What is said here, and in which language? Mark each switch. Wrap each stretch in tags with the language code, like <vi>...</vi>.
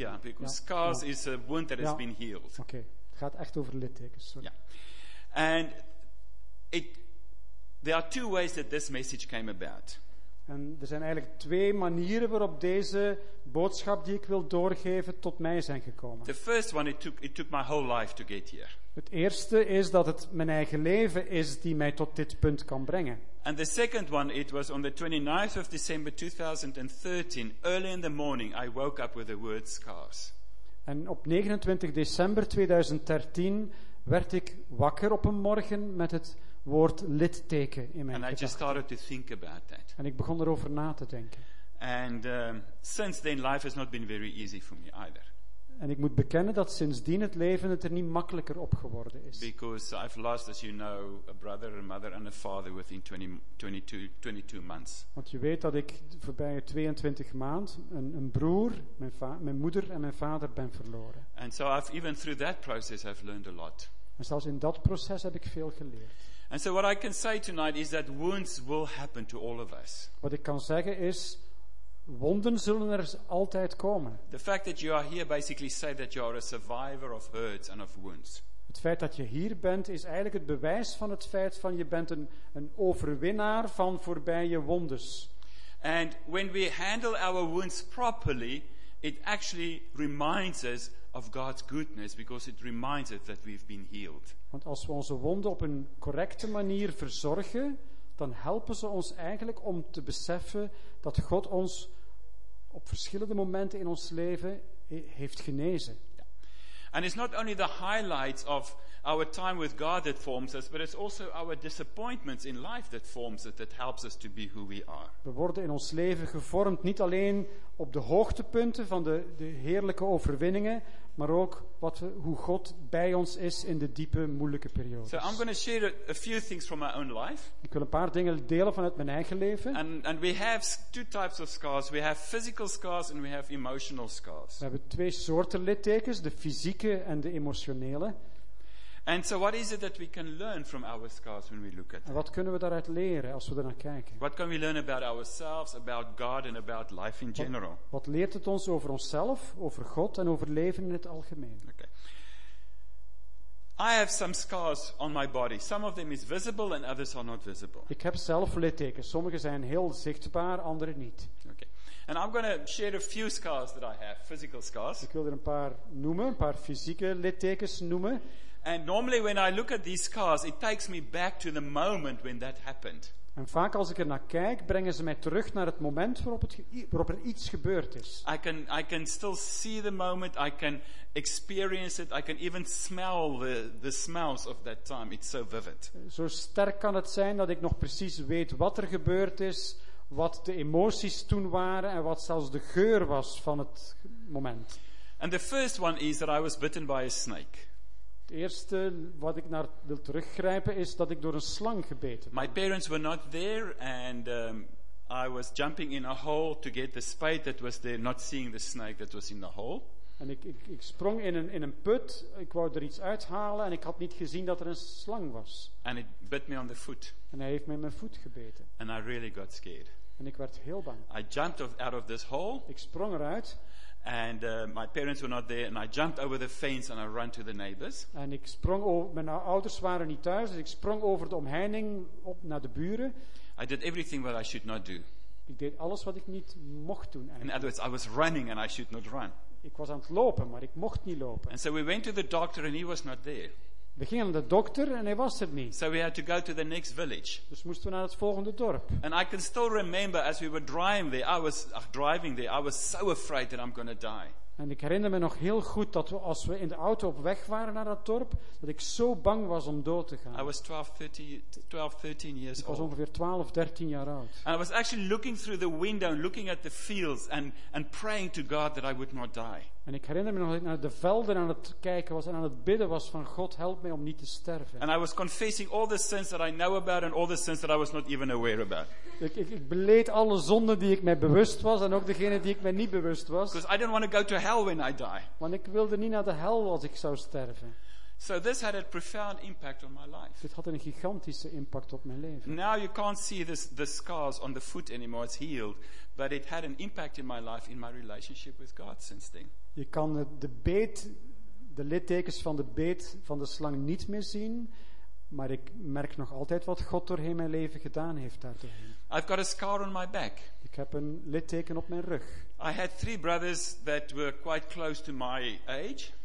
<en>Because scars is a wound that has been healed.</en> <nl>Oké.</nl> <en>Okay.</en> <nl>Het gaat echt over littekens, sorry.</nl> <en>Yeah. And there are two ways that this message came about.</en> <nl>En er zijn eigenlijk twee manieren waarop deze boodschap die ik wil doorgeven tot mij zijn gekomen.</nl> <en>The first one it took my whole life to get here.</en> <nl>Het eerste is dat het mijn eigen leven is die mij tot dit punt kan brengen.</nl> <en>And the second one it was on the 29th of December 2013 early in the morning I woke up with the word scars.</en> <nl>En op 29 december 2013 werd ik wakker op een morgen met het woord litteken in mijn gedachten.</nl> <en>And I just started to think about that.</en> <nl>En ik begon erover na te denken.</nl> <en>And since then life has not been very easy for me either.</en> <nl>En ik moet bekennen dat sindsdien het leven het er niet makkelijker op geworden is.</nl> <en>Because I've lost, as you know, a brother, a mother and a father within 22 months.</en> <nl>Want je weet dat ik de voorbije 22 maanden een broer, mijn moeder en mijn vader ben verloren.</nl> <en>And so I've even through that process I've learned a lot.</en> <nl>En zelfs in dat proces heb ik veel geleerd.</nl> <en>And so what I can say tonight is that wounds will happen to all of us.</en> <nl>Wat ik kan zeggen is, wonden zullen er altijd komen.</nl> <en>The fact that you are here basically say that you are a survivor of hurts and of wounds.</en> <nl>Het feit dat je hier bent is eigenlijk het bewijs van het feit van je bent een overwinnaar van voorbije wondes.</nl> <en>And when we handle our wounds properly, it actually reminds us of God's goodness, because it reminds us that we've been healed.</en> <nl>Want als we onze wonden op een correcte manier verzorgen, dan helpen ze ons eigenlijk om te beseffen dat God ons op verschillende momenten in ons leven heeft genezen.</nl> <en>Yeah. And it's not only the highlights of our time with God that forms us, but it's also our disappointments in life that forms us, that helps us to be who we are.</en> <nl>We worden in ons leven gevormd niet alleen op de hoogtepunten van de heerlijke overwinningen, maar ook hoe God bij ons is in de diepe, moeilijke periodes.</nl> <en>So I'm going to share a few things from my own life.</en> <nl>Ik wil een paar dingen delen vanuit mijn eigen leven.</nl> <en>And we have two types of scars. We have physical scars and we have emotional scars.</en> <nl>We hebben twee soorten littekens, de fysieke en de emotionele.</nl> <en>And so what is it that we can learn from our scars when we look at them?</en> <nl>En wat kunnen we daaruit leren als we ernaar kijken?</nl> <en>What can we learn about ourselves, about God and about life in general?</en> <nl>Wat leert het ons over onszelf, over God en over leven in het algemeen?</nl> <en>Okay. I have some scars on my body. Some of them is visible and others are not visible.</en> <nl>Ik heb zelf littekens. Sommige zijn heel zichtbaar, andere niet.</nl> <en>Okay. And I'm going to share a few scars that I have, physical scars.</en> <nl>Ik wil er een paar noemen, een paar fysieke littekens noemen.</nl> <en>And normally when I look at these scars, it takes me back to the moment when that happened.</en> <nl>En vaak als ik er naar kijk, brengen ze mij terug naar het moment waarop er iets gebeurd is.</nl> <en>I can still see the moment, I can experience it, I can even smell the smells of that time. It's so vivid.</en> <nl>Zo sterk kan het zijn dat ik nog precies weet wat er gebeurd is, wat de emoties toen waren en wat zelfs de geur was van het moment.</nl> <en>And the first one is that I was bitten by a snake.</en> <nl>Het eerste wat ik naar wil teruggrijpen is dat ik door een slang gebeten ben.</nl> <en>My parents were not there and I was jumping in a hole to get the spade that was there, not seeing the snake that was in the hole.</en> <nl>En ik sprong in een put, ik wou er iets uithalen en ik had niet gezien dat er een slang was.</nl> <en>And it bit me on the foot.</en> <nl>En hij heeft mij mijn voet gebeten.</nl> <en>And I really got scared.</en> <nl>En ik werd heel bang.</nl> <en>I jumped out of this hole.</en> <nl>Ik sprong eruit.</nl> <en>And my parents were not there, and I jumped over the fence and I ran to the neighbors.</en> <nl>En ik sprong over. Mijn ouders waren niet thuis, dus ik sprong over de omheining op naar de buren.</nl> <en>I did everything what I should not do.</en> <nl>Ik deed alles wat ik niet mocht doen. Eigenlijk.</nl> <en>In other words, I was running and I should not run.</en> <nl>Ik was aan het lopen, maar ik mocht niet lopen.</nl> <en>And so we went to the doctor and he was not there.</en> <nl>We gingen naar de dokter en hij was er niet.</nl> <en>So we had to go to the next village.</en> <nl>Dus moesten we naar het volgende dorp.</nl> <en>And I can still remember as we were driving there, I was so afraid that I'm going to die.</en> <nl>En ik herinner me nog heel goed dat we, als we in de auto op weg waren naar dat dorp, dat ik zo bang was om dood te gaan.</nl> <en>I was 12, 13 years old.</en> <nl>Ik was ongeveer 12, 13 jaar oud.</nl> <en>And I was actually looking through the window, looking at the fields and praying to God that I would not die.</en> <nl>En ik herinner me nog dat ik naar de velden aan het kijken was en aan het bidden was van God, help mij om niet te sterven.</nl> <en>And I was confessing all the sins that I know about and all the sins that I was not even aware about.</en> <nl>Ik beleed alle zonden die ik mij bewust was en ook degene die ik mij niet bewust was.</nl> <en>Because I didn't want to go to hell when I die.</en> <nl>Want ik wilde niet naar de hel als ik zou sterven.</nl> <en>So this had a profound impact on my life.</en> <nl>Dit had een gigantische impact op mijn leven.</nl> <en>Now you can't see the scars on the foot anymore. It's healed, but it had an impact in my life in my relationship with God since then.</en> <nl>Je kan de littekens van de beet van de slang niet meer zien, maar ik merk nog altijd wat God doorheen mijn leven gedaan heeft daardoorheen.</nl> <en>I've got a scar on my back.</en> <nl>Ik heb een litteken op mijn rug.</nl> <en>I had three brothers that were quite close to my age.</en>